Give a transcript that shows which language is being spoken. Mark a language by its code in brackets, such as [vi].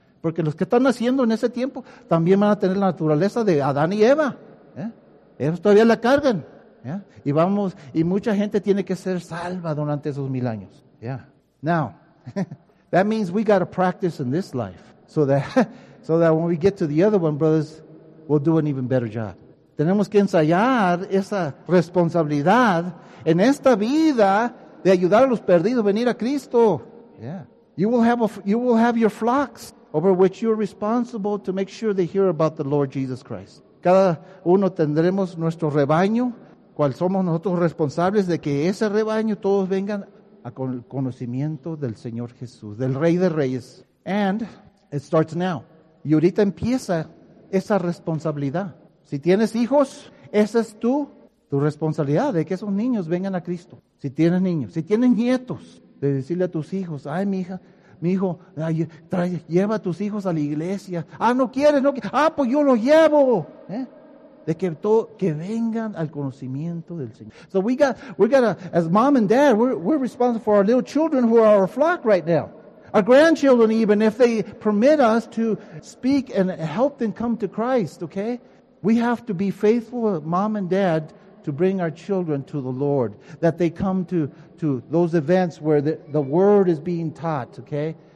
[es] Porque los que están naciendo en ese tiempo también van a tener la naturaleza de Adán y Eva. Yeah. Ellos todavía la cargan. Yeah. Y mucha gente tiene que ser salva durante esos 1,000 años. [en] Yeah. Now, that means we got to practice in this life so that when we get to the other one, brothers, we'll do an even better job. [es] Tenemos que ensayar esa responsabilidad en esta vida de ayudar a los perdidos a venir a Cristo. [en] Yeah. You will have your flocks over which you're responsible to make sure they hear about the Lord Jesus Christ. [es] Cada uno tendremos nuestro rebaño, cual somos nosotros responsables de que ese rebaño todos vengan a con el conocimiento del Señor Jesús, del Rey de Reyes. [en] And it starts now. [es] Y ahorita empieza esa responsabilidad. Si tienes hijos, esa es tu responsabilidad de que esos niños vengan a Cristo. Si tienes niños, si tienes nietos, de decirle a tus hijos, ay, mi hijo, lleva a tus hijos a la iglesia. Ah, no quieres, pues yo lo llevo. De que que vengan al conocimiento del Señor. [en] So we got as mom and dad, we're responsible for our little children who are our flock right now. Our grandchildren, even if they permit us to speak and help them come to Christ, okay? We have to be faithful, mom and dad, to bring our children to the Lord, that they come to those events where the word is being taught, okay?